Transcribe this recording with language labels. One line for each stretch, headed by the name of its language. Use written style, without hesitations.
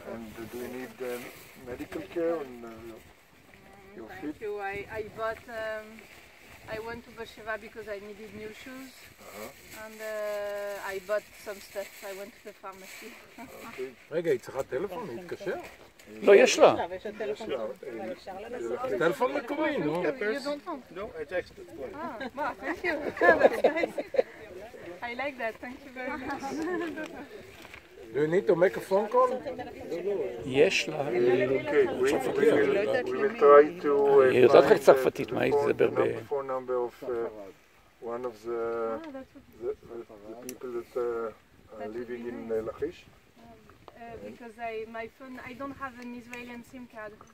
English: and do you need medical care on your feet? Thank you, I went to Bosheva because I needed new shoes, and I bought some stuff. I went to the pharmacy.
Hebrew: רגע, היא צריכה טלפון, היא התקשר? לא, יש לה. יש לה טלפון מקורי, נו.
English: You don't know? No, I texted. Thank you. I like that. Thank you very much. Do you need to make a phone call?
Hebrew: יש לה.
English: Okay, we will try to...
Hebrew: היא יודעת לך צרפתית, מה היא תדבר ב...
English: number of one of the people that are living in Lachish. Because I don't have an Israeli SIM card.